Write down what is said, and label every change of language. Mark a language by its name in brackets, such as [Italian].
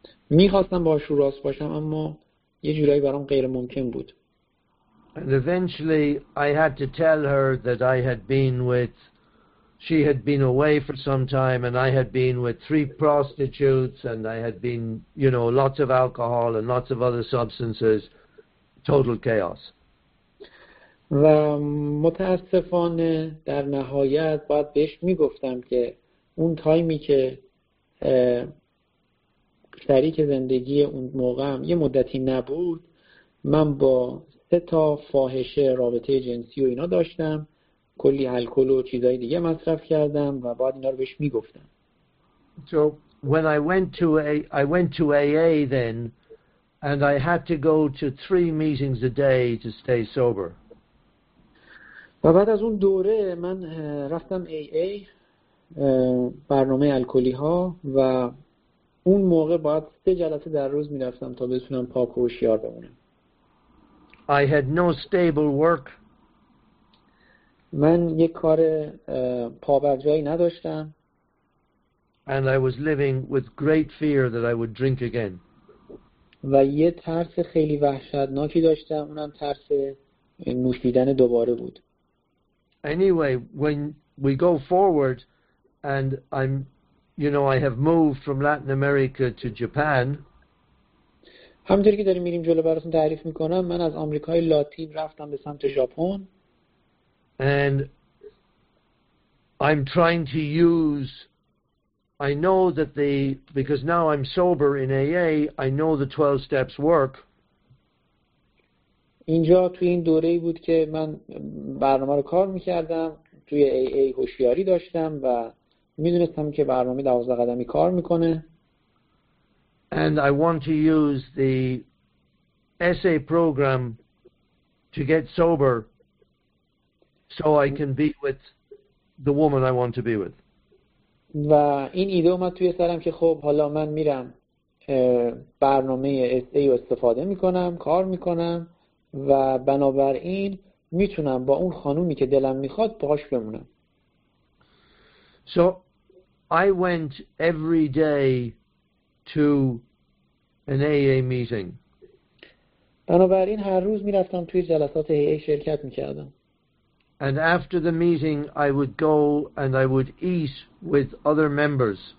[Persian] می‌خواستم باهاش رو راست باشم، اما یه جورایی برام غیر ممکن بود. [English] And eventually I had to tell her that I had been with, she had been away for some time and I had been with 3 prostitutes and I had been, you know, lots of alcohol and lots of other substances, total chaos. [Persian] و متاسفانه در نهایت باید بهش میگفتم که اون تایمی که شریک زندگی اون موقعم یه مدتی نبود، من با 3 فاحشه رابطه جنسی و اینا داشتم، کلی الکل و چیزای دیگه مصرف کردم و بعد اینا رو بهش میگفتم. [English] So when I went to AA then and I had to go to 3 meetings a day to stay sober. [Persian] و بعد از اون دوره من رفتم AA، برنامه الکلی ها، و اون موقع باید 3 جلسه در روز میرفتم تا بتونم پاک و هوشیار بمونم. [English] I had no stable work. [Persian] من یک کار پابرجایی نداشتم. [English] And I was living with great fear that I would drink again. [Persian] و یه ترس خیلی وحشتناکی داشتم، اونم ترس نوشیدن دوباره بود. [English] Anyway, when we go forward and I'm, you know, I have moved from Latin America to Japan. [Persian] همونطوری که داریم میریم جلو براتون تعریف میکنم، من از آمریکای لاتین رفتم به سمت ژاپن. [English] And I'm trying to use, I know that the, because now I'm sober in AA, I know the 12 steps work. [Persian] اینجا توی این دوره‌ای بود که من برنامه رو کار میکردم، توی AA هوشیاری داشتم و میدونستم که برنامه 12 قدمی کار میکنه. [English] And I want to use the SA program to get sober so I can be with the woman I want to be with. [Persian] و این ایده اومد توی سرم که خب حالا من میرم برنامه SA رو استفاده میکنم، کار میکنم و بنابراین میتونم با اون خانومی که دلم میخواد باهاش بمونم. [English] So I went every day to an AA meeting. [Persian] بنابراین هر روز میرفتم توی جلسات AA شرکت میکردم. [English] And after the meeting I would go and I would eat with other members.